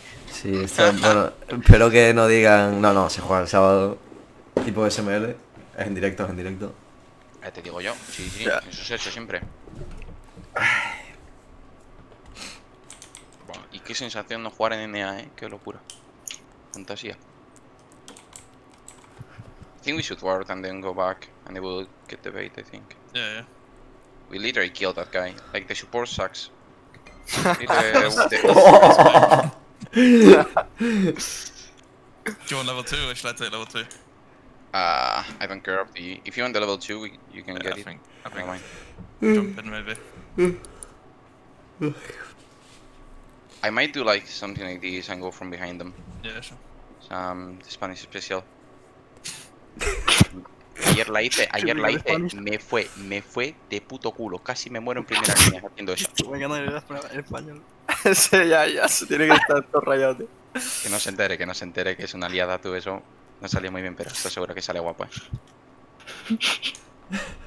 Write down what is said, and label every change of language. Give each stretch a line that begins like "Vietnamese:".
Spanish: Sí, está, bueno, espero que no digan... No, no, se juega el sábado. Tipo SML. Es en directo, es en directo. Te digo yo. Sí, sí, yeah. Eso se ha hecho siempre. Y qué sensación no jugar en NA, ¿eh? Qué locura. Fantasía.
English: I think we should ward and then go back. And they will get the bait, I think. Yeah. We literally killed that guy. Like, the support sucks. Do you want level 2 or should I take level 2? I don't care. If you want the level 2, you can get it. I think. Jump in, maybe. I might do like something like this and go from behind them. Yeah, sure. The Spanish special.
Spanish: Ayer la hice, me fue de puto culo. Casi me muero en primera línea haciendo eso. Me gana el español. Ese ya se tiene que estar todo rayado, tío. Que no se entere que es una liada tú eso. No salió muy bien, pero estoy seguro que sale guapo, ¿eh?